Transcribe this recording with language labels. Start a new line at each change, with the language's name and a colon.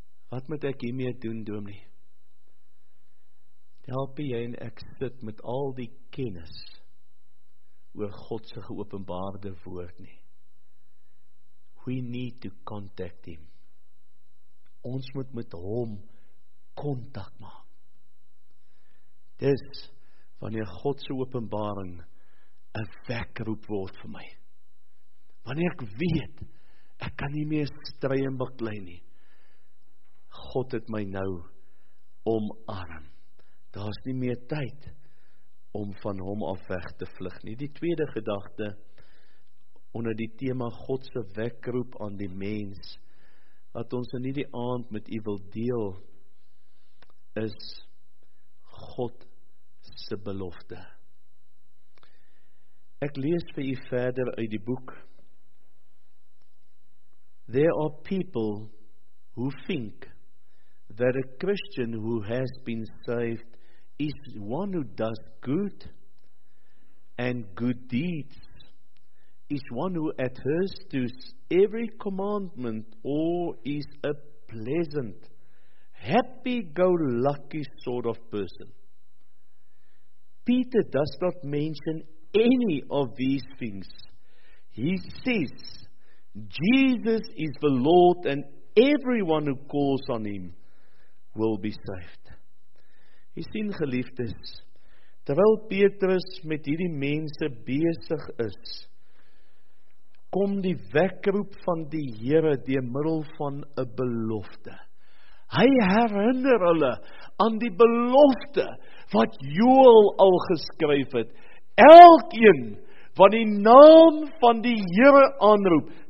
Afrikaans: Wat moet ek hiermee doen, dominee? Help jy en ek sit met al die kennis oor God se geopenbaarde woord nie.
English: We need to contact him.
Afrikaans: Ons moet met hom contact maak. Dis wanneer God se openbaring een wekroep word vir my. Wanneer ek weet, ek kan nie meer strei en baklei nie. God het my nou omarm. Daar is nie meer tyd om van hom af weg te vlug nie. Die tweede gedagte, onder die thema God se wekroep aan die mens, wat ons in die aand met u wil deel, is God se belofte. Ek lees vir u verder uit die boek.
English: There are people who think that a Christian who has been saved is one who does good and good deeds, is one who adheres to every commandment, or is a pleasant, happy-go-lucky sort of person. Peter does not mention any of these things. He says, Jesus is the Lord and everyone who calls on him will be saved.
Afrikaans: Hy sien, geliefdes, terwyl Petrus met hierdie mense besig is, kom die wekroep van die Here deur middel van 'n belofte. Hy herinner hulle aan die belofte wat Joel al geskryf het. Elkeen wat die naam van die Here aanroep,